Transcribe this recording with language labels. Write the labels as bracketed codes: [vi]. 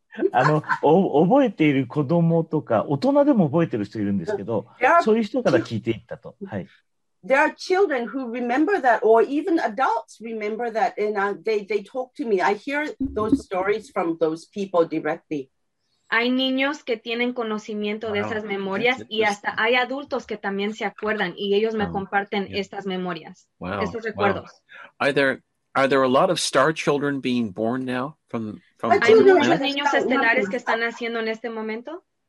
[ja] あの覚えている子供とか大人でも覚えている人いるんですけど、そういう人から聞いていったと。はい。 [en] there are children who remember that, or even adults remember that, and they talk to me. I hear those stories from those people directly. [es] Hay niños que tienen conocimiento de esas memorias y hasta hay adultos que también se acuerdan y ellos me comparten estas memorias, estos recuerdos. [en] Are there a lot of star children being born now from [es] ¿Hay muchos niños estelares que están naciendo en este momento?